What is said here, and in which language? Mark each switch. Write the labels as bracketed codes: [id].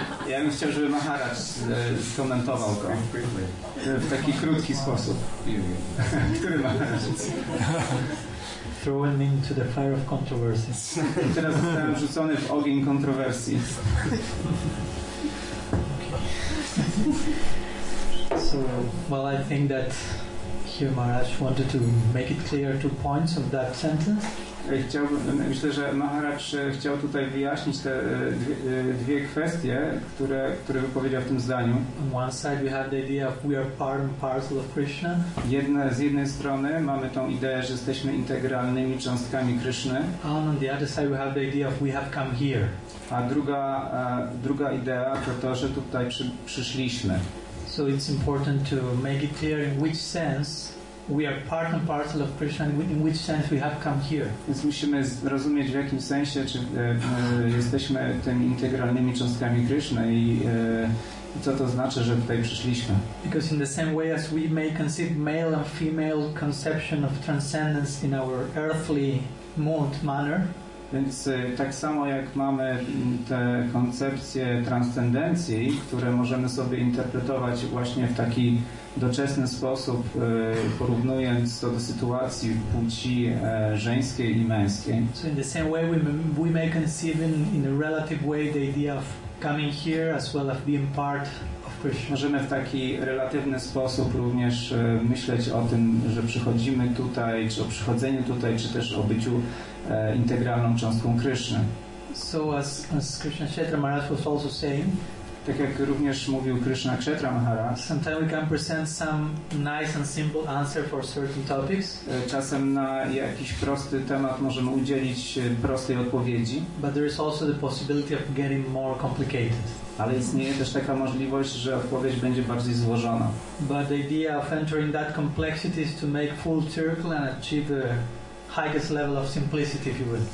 [pl] Ja bym chciał, żeby Maharaj skomentował to w taki krótki sposób. Który Maharaj? [en] Thrown into the fire of controversies. [pl] Teraz zostałem rzucony w ogień kontrowersji. [en] So, well, I think that here Maharaj wanted to make it clear two points of that sentence. [pl] Myślę, że Maharaj chciał tutaj wyjaśnić te dwie kwestie, które wypowiedział w tym zdaniu. [en] On one side we have the idea of we are part and parcel of Krishna. [pl] Z jednej strony mamy tą ideę, że jesteśmy integralnymi cząstkami Kryszny. [en] And on the other side we have the idea of we have come here. [pl] A druga idea to, że tutaj przyszliśmy. [en] So it's important to make it clear in which sense we are part and parcel of Krishna, in which sense we have come here. [pl] Więc musimy zrozumieć, w jakim sensie czy jesteśmy tymi integralnymi cząstkami Krishna i co to znaczy, że tutaj przyszliśmy. [en] Because in the same way as we may conceive male and female conception of transcendence in our earthly mode manner. [pl] Więc tak samo jak mamy te koncepcje transcendencji, które możemy sobie interpretować właśnie w taki doczesny sposób, porównując to do sytuacji płci żeńskiej i męskiej. [en] So in the same way we may conceive in a relative way the idea of coming here as well as being part. [pl] Możemy w taki relatywny sposób również myśleć o tym, że przychodzimy tutaj, czy o przychodzeniu tutaj, czy też o byciu integralną cząstką Kryszny. [en] So as Krishna Kshetra Maharaj was also saying, [pl] tak jak również mówił Krishna Kshetra Maharaj, [en] sometimes we can present some nice and simple answer for certain topics. [pl] Czasem na jakiś prosty temat możemy udzielić prostej odpowiedzi. [en] But there is also the possibility of getting more complicated. [pl] Ale istnieje też taka możliwość, że odpowiedź będzie bardziej złożona. [en] But the idea of entering that complexity is to make full circle and achieve a highest level of simplicity, if you will.